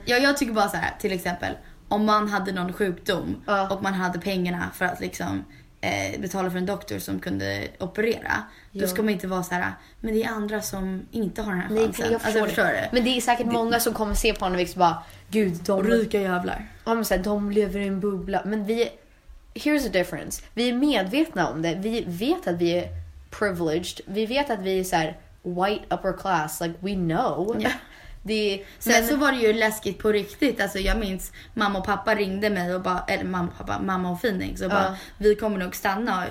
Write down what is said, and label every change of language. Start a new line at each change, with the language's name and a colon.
Swedish: ja, jag tycker bara så här, till exempel om man hade någon sjukdom och man hade pengarna för att liksom betala för en doktor som kunde operera, då ska man inte vara så här, men det är andra som inte har den här chansen. Nej, jag förstår, alltså, förstår det. Men det är säkert många som kommer se på honom och bara, gud, de rika jävlar. Ja, men så här, de lever i en bubbla. Men vi,
English: here's the difference.
Swedish: Vi är medvetna om det. Vi vet att vi är privileged. Vi vet att vi är så här
English: white upper class. Like, we know. Yeah.
Swedish: Men så var det ju läskigt på riktigt. Alltså jag minns mamma och pappa ringde mig och bara, eller mamma och pappa, mamma och Phoenix, och bara, vi kommer nog stanna.